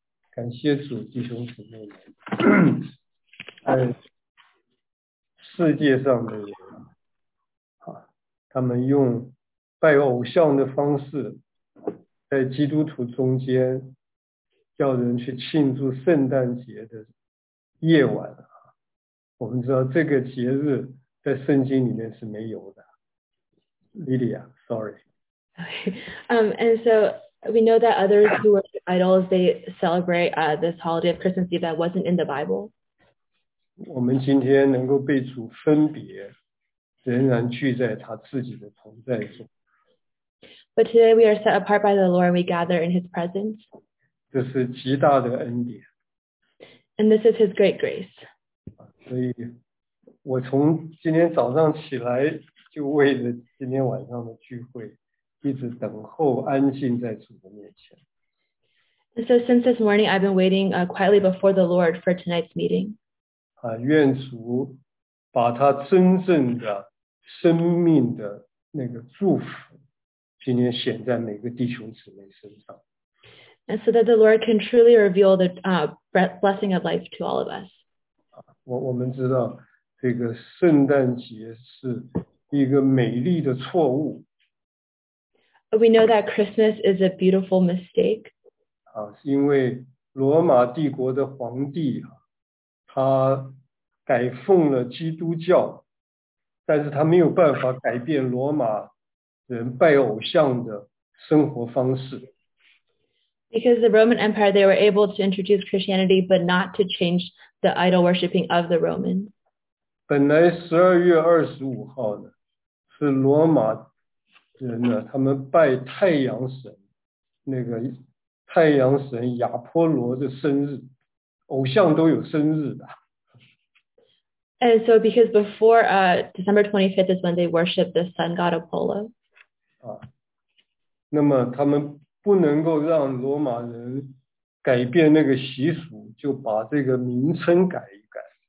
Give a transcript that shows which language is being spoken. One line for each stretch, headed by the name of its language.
Chinese: 感谢主，弟兄姊妹们，在世界上的人，他们用拜偶像的方式，在基督徒中间叫人去庆祝圣诞节的夜晚，我们知道这个节日在圣经里面是没有的。
English: Lydia，sorry。 And so we know that others who worship idols, they celebrate this holiday of Christmas Eve that wasn't in the Bible.
Chinese: 我们今天能够被主分别，仍然聚在他自己的同在中。
English: But today we are set apart by the Lord and we gather in his presence.
Chinese: 这是极大的恩典。
English: And this is his great grace.
Chinese: 所以我从今天早上起来就为了今天晚上的聚会一直等候安静在主的面前。
English: And so since this morning I've been waiting quietly before the Lord for tonight's meeting.
Chinese: 愿主把他真正的生命的那个祝福今天显在每个弟兄姊妹身上。
English: And so that the Lord can truly reveal the blessing of life to all of us.
Chinese: 我们知道这个圣诞节是一个美丽的错误。
English: We know that Christmas is a beautiful mistake.
Chinese: 是因为罗马帝国的皇帝他改奉了基督教，但是他没有办法改变罗马人拜偶像的生活方式。
English: Because the Roman Empire, they were able to introduce Christianity, but not to change the idol worshiping of the Romans.
Chinese: 本来12月25号呢，是罗马人呢，他们拜太阳神，那个太阳神亚波罗的生日，偶像都有生日的。
English: And so because before December 25th is when they worship the sun god Apollo.
Chinese: 那么他们不能够让罗马人改变那个习俗，就把这个名称改一改。